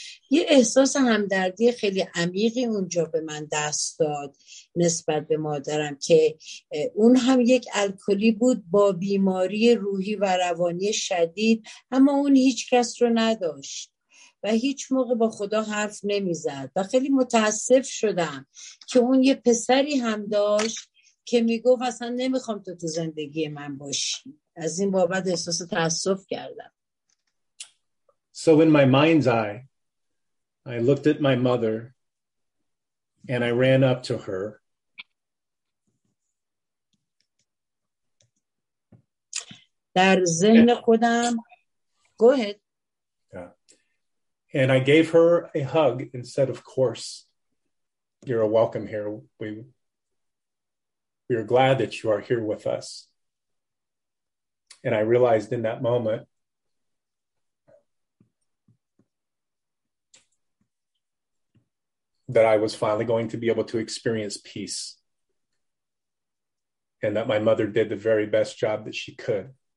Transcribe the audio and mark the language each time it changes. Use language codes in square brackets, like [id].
[fa] یه احساس همدردی خیلی عمیقی اونجا به من دست داد نسبت به مادرم که اون هم یک الکلی بود با بیماری روحی و روانی شدید اما اون هیچ کس رو نداشت و هیچ موقع با خدا حرف نمی زد و خیلی متاسف شدم که اون یه پسری هم داشت که می گفت اصلا نمی خوام تو زندگی من باشی. از این بابت احساس تاسف کردم. [en] So in my mind's eye, I looked at my mother and I ran up to her. [fa] در ذهن خودم [en] Go ahead. And I gave her a hug and said, "Of course, you're a welcome here. We are glad that you are here with us." And I realized in that moment that I was finally going to be able to experience peace and that my mother did the very best job that she could.